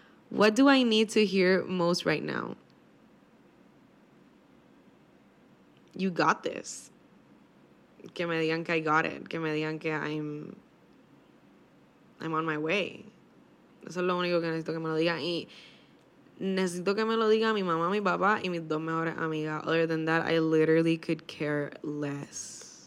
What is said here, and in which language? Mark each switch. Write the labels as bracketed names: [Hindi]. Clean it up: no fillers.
[English] What do I need to hear most right now? You got this. [Spanish] Que me digan que [English] I got it. [Spanish] Que me digan que [English] I'm on my way. [Spanish] Eso es lo único que necesito que me lo digan. Y necesito que me lo digan mi mamá, mi papá y mis dos mejores amigas. [English] Other than that, I literally could care less.